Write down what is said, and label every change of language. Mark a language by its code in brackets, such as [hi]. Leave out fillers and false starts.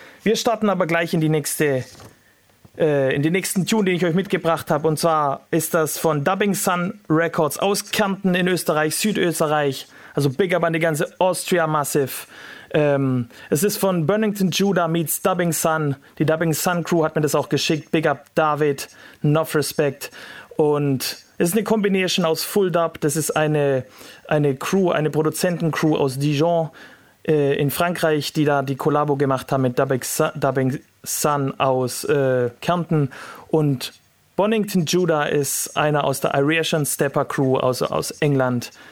[de] Wir starten aber gleich in die nächste, in den nächsten Tune, den ich euch mitgebracht habe. Und zwar ist das von Dubbing Sun Records aus Kärnten in Österreich, Südösterreich. Also [en] big up [de] an die ganze Austria Massive. Es ist von Burnington Judah meets Dubbing Sun. Die Dubbing Sun Crew hat mir das auch geschickt. [en] Big up David, enough respect. [de] Und es ist eine Combination aus Full Dub. Das ist eine Crew, eine Produzenten-Crew aus Dijon in Frankreich, die da die Kollabo gemacht haben mit Dubbing Sun aus Kärnten. Und Bonington Judah ist einer aus der Irishian Stepper Crew aus England.